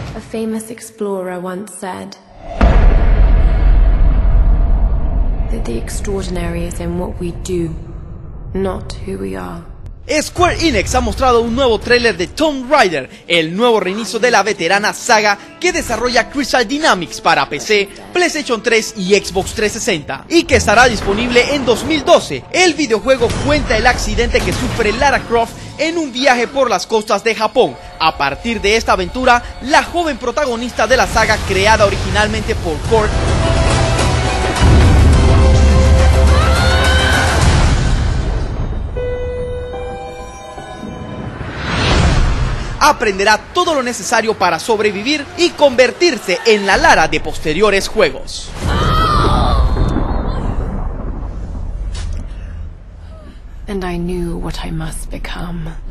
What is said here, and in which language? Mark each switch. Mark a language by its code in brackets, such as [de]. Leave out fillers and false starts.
[en] Famous explorer once said that the extraordinary is in what we do, not who we are. [es] Square Enix ha mostrado un nuevo tráiler de Tomb Raider, el nuevo reinicio de la veterana saga que desarrolla Crystal Dynamics para PC, PlayStation 3 y Xbox 360, y que estará disponible en 2012. El videojuego cuenta el accidente que sufre Lara Croft en un viaje por las costas de Japón. A partir de esta aventura, la joven protagonista de la saga creada originalmente por Kurt aprenderá todo lo necesario para sobrevivir y convertirse en la Lara de posteriores juegos. [en] And I knew what I must become.